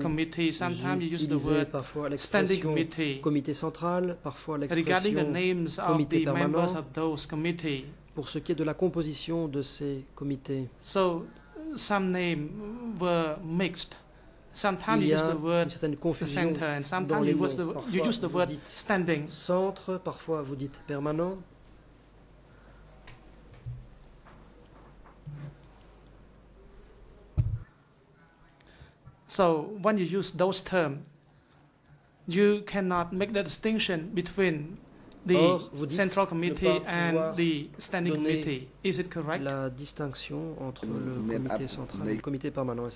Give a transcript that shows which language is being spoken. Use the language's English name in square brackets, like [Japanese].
[English] committee, sometimes you use the word standing committee. [French] Comité central, parfois [English] regarding the names of the members of those committees. [French] Pour ce qui est de la composition de ces comités. [English] So some names were mixed. Sometimes you use the word center, and sometimes you, you use the word standing. [French] Centre, parfois vous dites permanent. [English] So when you use those terms, you cannot make the distinction between the central committee and the standing committee. Is it correct? [French] La distinction entre le comité central et le comité permanent, est-ce